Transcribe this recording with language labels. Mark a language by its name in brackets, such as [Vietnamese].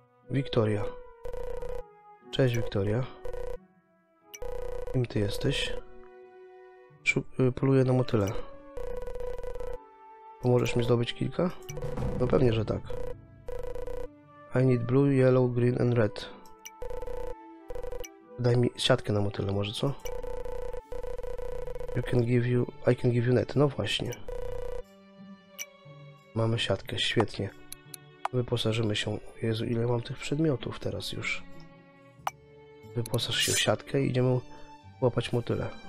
[Polish] Victoria. Cześć, Victoria. Kim ty jesteś? Poluję na motyle. Pomożesz mi zdobyć kilka? No pewnie, że tak. [English] I need blue, yellow, green and red. [Polish] Daj mi siatkę na motyle, może co? [English] I can give you net. [Polish] No właśnie. Mamy siatkę, świetnie. Wyposażymy się. Jezu, ile mam tych przedmiotów teraz już? Wyposaż się w siatkę i idziemy łapać motyle.